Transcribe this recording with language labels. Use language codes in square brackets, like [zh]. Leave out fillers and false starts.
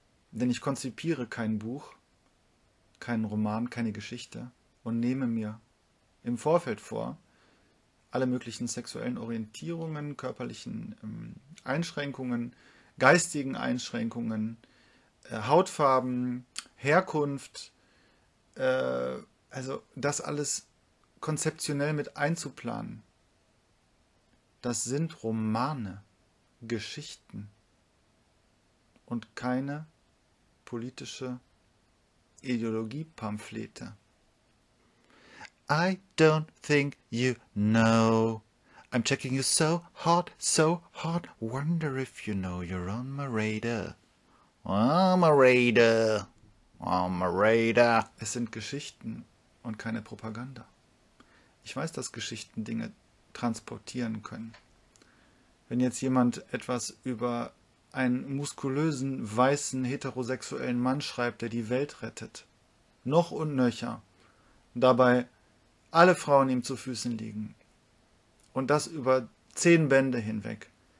[de] Denn ich konzipiere kein Buch, keinen Roman, keine Geschichte und nehme mir im Vorfeld vor, alle möglichen sexuellen Orientierungen, körperlichen Einschränkungen, geistigen Einschränkungen, Hautfarben, Herkunft, also das alles konzeptionell mit einzuplanen. Das sind Romane, Geschichten und keine politische Ideologie-Pamphlete. [en] I don't think you know. I'm checking you so hard, wonder if you know you're on my radar. Oh, my radar. Oh, my radar. [de] Es sind Geschichten und keine Propaganda. Ich weiß, dass Geschichten Dinge transportieren können. Wenn jetzt jemand etwas über einen muskulösen, weißen, heterosexuellen Mann schreibt, der die Welt rettet, noch und nöcher, dabei alle Frauen ihm zu Füßen liegen, und das über 10 Bände hinweg.